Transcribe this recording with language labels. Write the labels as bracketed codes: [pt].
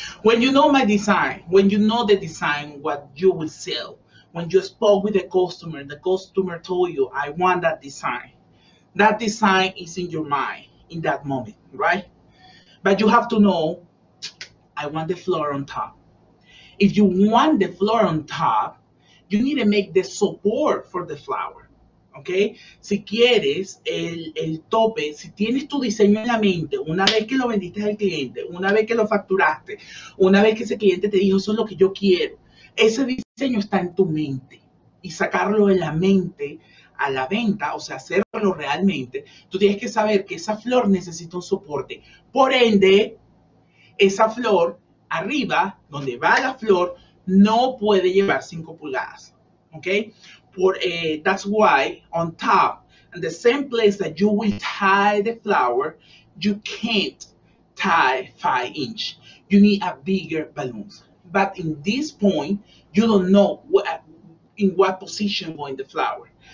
[en] When you know my design, when you know the design, what you will sell, when you spoke with the customer told you, I want that design is in your mind in that moment, right? But you have to know, I want the floor on top. If you want the floor on top, you need to make the support for the flower, okay? [es] Si quieres el tope, si tienes tu diseño en la mente, una vez que lo vendiste al cliente, una vez que lo facturaste, una vez que ese cliente te dijo, eso es lo que yo quiero, ese diseño está en tu mente. Y sacarlo de la mente a la venta, o sea, hacerlo realmente, tú tienes que saber que esa flor necesita un soporte. Por ende, esa flor arriba, donde va la flor, no puede llevar 5 pulgadas, okay? [en] That's why on top, in the same place that you will tie the flower, you can't tie 5 inch. You need a bigger balloon. But in this point, you don't know in what position going the flower.